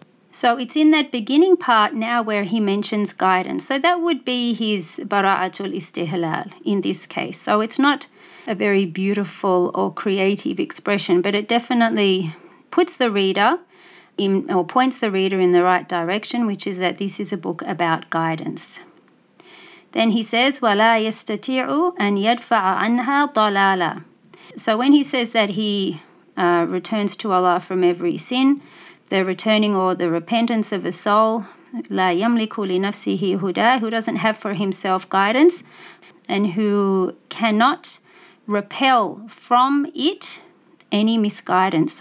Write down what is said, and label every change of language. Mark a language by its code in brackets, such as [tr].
[en] So it's in that beginning part now where he mentions guidance. So that would be his Bara'atul Istihlal in this case. So it's not a very beautiful or creative expression, but it definitely puts the reader in, or points the reader in the right direction, which is that this is a book about guidance. Then he says, [ar] وَلَا يَسْتَطِيعُ أَنْ يَدْفَعَ عَنْهَا ضَلَالًا. [en] So when he says that he returns to Allah from every sin, the returning or the repentance of a soul, [ar] لَا يَمْلِكُ لِنَفْسِهِ هُدَى, [en] who doesn't have for himself guidance and who cannot repel from it any misguidance.